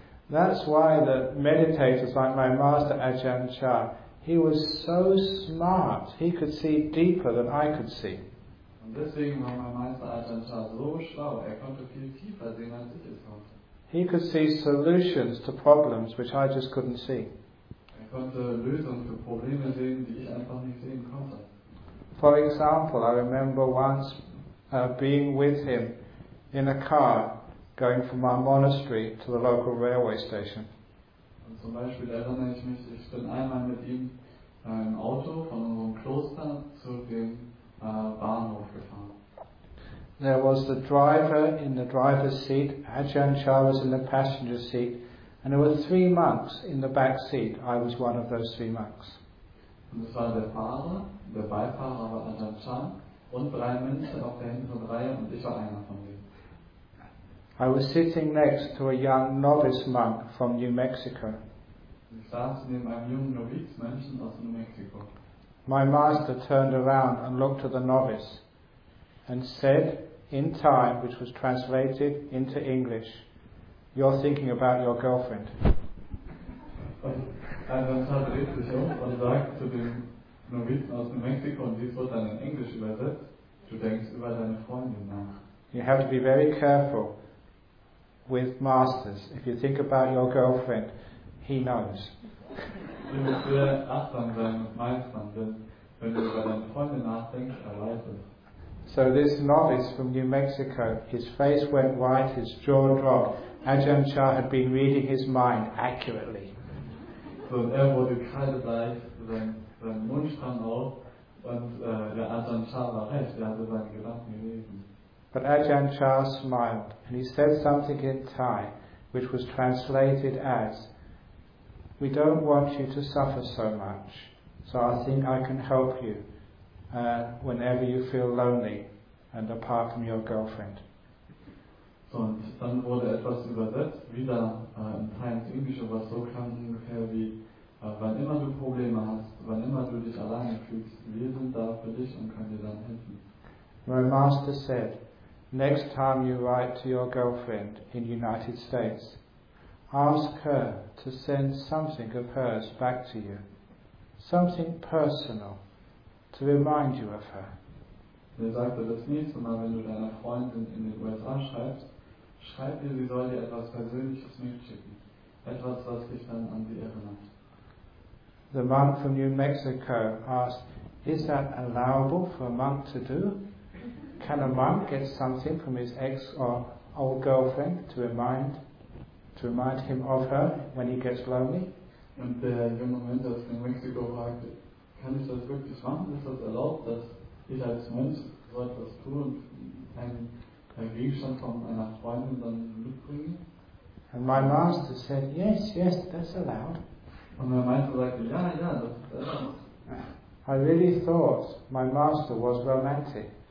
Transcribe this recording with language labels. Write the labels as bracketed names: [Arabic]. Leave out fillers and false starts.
[English] That's why the meditators like my master Ajahn Chah, he was so smart, he could see deeper than I could see. [German] Und deswegen war mein Meister Ajahn Chah so schlau, er konnte viel tiefer sehen, als ich es konnte. [English] He could see solutions to problems which I just couldn't see. [German] Er konnte Lösungen für Probleme sehen, die ich einfach nicht sehen konnte. [English] For example, I remember once being with him in a car going from our monastery to the local railway station. [German] Und zum Beispiel erinnere ich mich, ich bin einmal mit ihm im Auto von unserem Kloster zu dem Bahnhof gefahren. [English] There was the driver in the driver's seat, Ajahn Chah was in the passenger seat, and there were three monks in the back seat. I was one of those three monks. [German] Und es war der Fahrer, der Beifahrer war Ajahn Chah, und drei Mönche auf der hinteren Reihe, und ich war einer von denen. [English] I was sitting next to a young novice monk from New Mexico. [German] Ich saß neben einem jungen Novizmönchen aus New Mexico. [English] My master turned around and looked at the novice and said in Thai, which was translated into English, "You're thinking about your girlfriend." [German] Und dann hat er sich um und sagt zu dem Novizen aus New Mexico, und dies wird dann in Englisch übersetzt, du denkst über deine Freundin nach. [English] You have to be very careful with masters. If you think about your girlfriend, he knows. [German] Du musst sehr achtsam sein mit Meistern, denn wenn du über deine Freundin nachdenkst, er weiß es. [English] So this novice from New Mexico, his face went white, his jaw dropped. Ajahn Chah had been reading his mind accurately. [German] So er wurde kreidebleich, sein Mund stand auf, und der Ajahn Chah war recht, er hatte seine Gedanken gelesen. [English] But Ajahn Chah smiled, and he said something in Thai, which was translated as, "We don't want you to suffer so much, so I think I can help you whenever you feel lonely and apart from your girlfriend." [German] So, und dann wurde etwas übersetzt, wieder in Thai ins Englische, was so klang ungefähr wie, wann immer du Probleme hast, wann immer du dich alleine fühlst, wir sind da für dich und können dir dann helfen. [English] My master said, "Next time you write to your girlfriend in the United States, ask her to send something of hers back to you. Something personal to remind you of her." [German] Er sagte, das nächste Mal, wenn du deiner Freundin in den USA schreibst, schreib ihr, sie soll dir etwas Persönliches mitschicken. Etwas, was dich dann an sie erinnert. [English] The monk from New Mexico asked, "Is that allowable for a monk to do? Can a monk get something from his ex or old girlfriend to remind him of her when he gets lonely?" [German] Und der junge Mönch aus New Mexico fragte, "Kann ich das wirklich machen? Ist das erlaubt, dass ich als Mönch so etwas tue und einen Gegenstand von einer Freundin dann mitbringe?" [English] And my master said, "Yes, yes, that's allowed." [German] Und mein Meister sagte, "Ja, ja, das ist erlaubt." [English] I really thought my master was romantic.